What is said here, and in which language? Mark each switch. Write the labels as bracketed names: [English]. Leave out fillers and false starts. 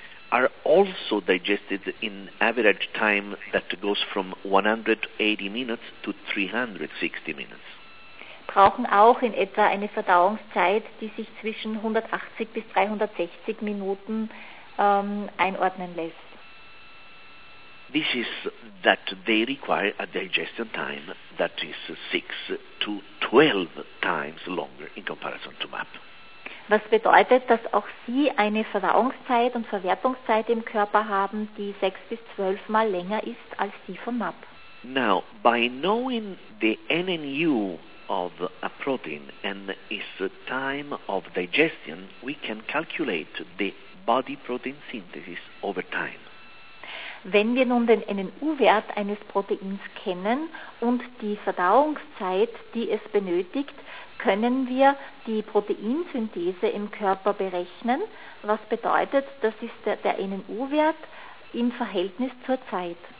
[English] are also digested in average time that goes from 180 minutes to 360 minutes. [German] Brauchen auch in etwa eine Verdauungszeit, die sich zwischen 180 bis 360 Minuten einordnen lässt. [English] This is that they require a digestion time that is 6 to 12 times longer in comparison to MAP. [German] Was bedeutet, dass auch Sie eine Verdauungszeit und Verwertungszeit im Körper haben, die 6 bis 12 Mal länger ist als die vom MAP. [English] Now, by knowing the NNU of a protein and its time of digestion, we can calculate the body protein synthesis over time. [German] Wenn wir nun den NNU-Wert eines Proteins kennen und die Verdauungszeit, die es benötigt, können wir die Proteinsynthese im Körper berechnen, was bedeutet, das ist der NNU-Wert im Verhältnis zur Zeit.